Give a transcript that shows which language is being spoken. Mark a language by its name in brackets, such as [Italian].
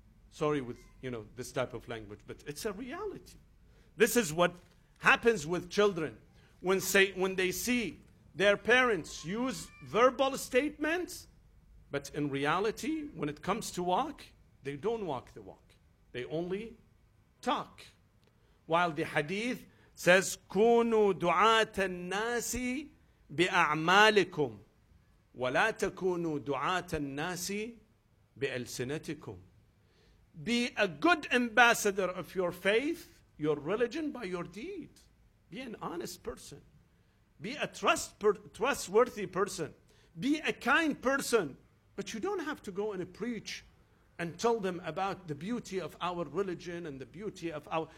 [English] Sorry with, you know, this type of language, but it's a reality. This is what happens with children. When they see their parents use verbal statements, but in reality, when it comes to walk, they don't walk the walk. They only talk. While the hadith says, [Arabic] كُونُوا دُعَاتَ النَّاسِ بِأَعْمَالِكُمْ وَلَا تَكُونُوا دُعَاتَ النَّاسِ بِأَلْسِنَتِكُمْ. [English] Be a good ambassador of your faith, your religion, by your deed. Be an honest person. Be a trustworthy person. Be a kind person. But you don't have to go and preach and tell them about the beauty of our religion and the beauty of our...